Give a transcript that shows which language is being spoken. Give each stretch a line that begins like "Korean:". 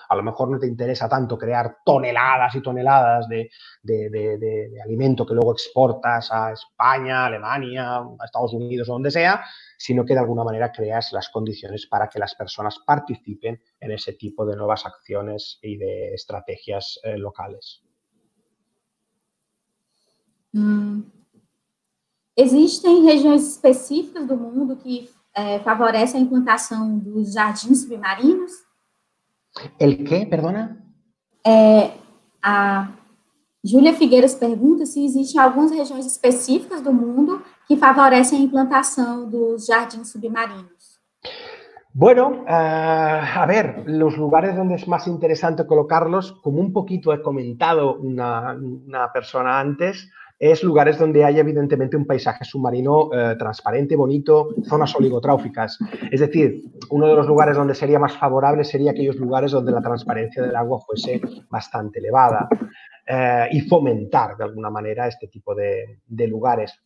Spanish: A lo mejor no te interesa tanto crear toneladas y toneladas de alimento que luego exportas a España, Alemania, a Estados Unidos o donde sea, sino que de alguna manera creas las condiciones para que las personas participen en ese tipo de nuevas acciones y de estrategias locales.
Portuguese: Existem regiões específicas do mundo que favorecem a implantação dos jardins submarinos?
Spanish: El que, perdona?
Portuguese: A Júlia Figueiras pergunta se existem algumas regiões específicas do mundo que favorecem a implantação dos jardins submarinos.
Spanish: Bueno, a ver, los lugares donde es más interesante colocarlos, como un poquito he comentado una persona antes, es lugares donde hay evidentemente un paisaje submarino transparente, bonito, zonas oligotróficas. Es decir, uno de los lugares donde sería más favorable sería aquellos lugares donde la transparencia del agua fuese bastante elevada y fomentar de alguna manera este tipo de lugares.